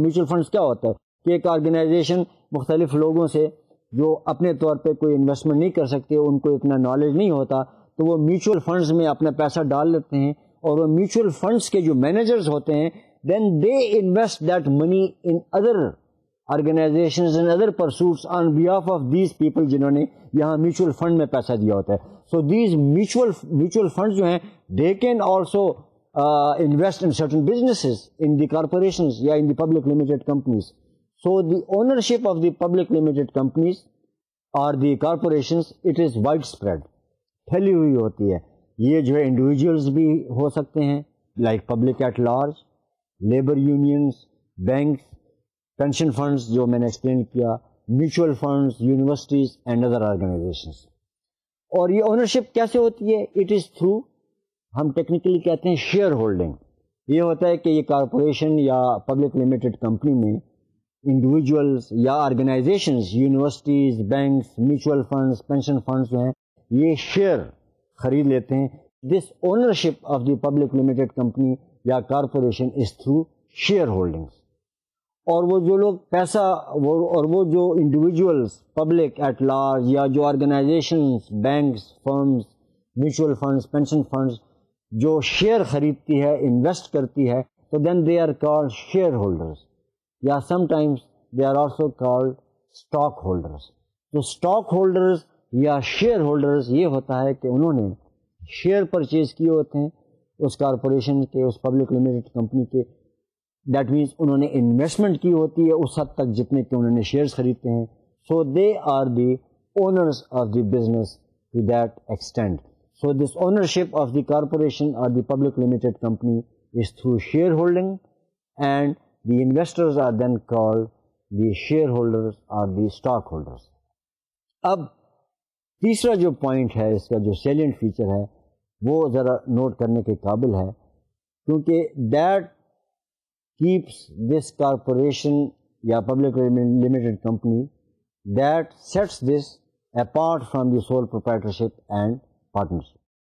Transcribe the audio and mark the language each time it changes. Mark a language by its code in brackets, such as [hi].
[ur] Mutual funds کیا ہوتا ہے کہ ایک آرگنائزیشن مختلف لوگوں سے جو اپنے طور پہ کوئی انویسٹمنٹ نہیں کر سکتے, ان کو اتنا نالج نہیں ہوتا, تو وہ میوچل فنڈز میں اپنا پیسہ ڈال لیتے ہیں اور وہ میوچل فنڈز کے جو مینیجرز ہوتے ہیں [en] then they invest that money in other organizations and other pursuits on behalf of these people [ur] جنہوں نے یہاں میوچل فنڈ میں پیسہ دیا ہوتا ہے. [en] so these mutual funds [ur] جو ہیں [en] They can also invest in certain businesses in the corporations یا in the public limited companies. So the ownership of the public limited companies or the corporations it is wide spread, [ur] پھیلی ہوئی ہوتی ہے. یہ جو ہے انڈیویجولس بھی ہو سکتے ہیں [en] like public at large, [ur] labour unions, banks, pension funds جو میں نے ایکسپلین کیا, mutual funds, universities and other organisations. اور یہ اونرشپ کیسے ہوتی ہے؟ [en] it is through, [ur] ہم ٹیکنیکلی کہتے ہیں شیئر ہولڈنگ. یہ ہوتا ہے کہ یہ کارپوریشن یا پبلک لمیٹڈ کمپنی میں انڈیویجولس یا organisations, universities, banks, mutual funds, pension funds جو ہیں یہ شیئر خرید لیتے ہیں. [en] This ownership of the public limited company یا corporation is through share holdings. [ur] اور وہ جو لوگ پیسہ اور وہ جو انڈیویجولس [en] public at large [ur] یا جو organisations, banks, firms, mutual funds, pension funds جو شیئر خریدتی ہے, انویسٹ کرتی ہے, تو [en] Then they are called share holders یا some times they are also called stock holders. [ur] تو اسٹاک ہولڈرز یا شیئر ہولڈرز یہ ہوتا ہے کہ انہوں نے شیئر پرچیز کیے ہوتے ہیں اس کارپوریشن کے, اس پبلک لمیٹڈ کمپنی کے, [en] that means [ur] انہوں نے انویسٹمنٹ کی ہوتی ہے اس حد تک جتنے کہ انہوں نے شیئرس خریدتے ہیں. [en] So they are the owners of the business to that extent. So this ownership of the corporation or the public limited company is through share holding and the investors are then called the share holders or the stock holders. [ur] اب تیسرا جو point ہے اس کا جو salient feature ہے وہ ذرا note کرنے کے قابل ہے, کیونکہ [en] That keeps this corporation یا public limited company that sets this apart from the sole proprietorship and partnership.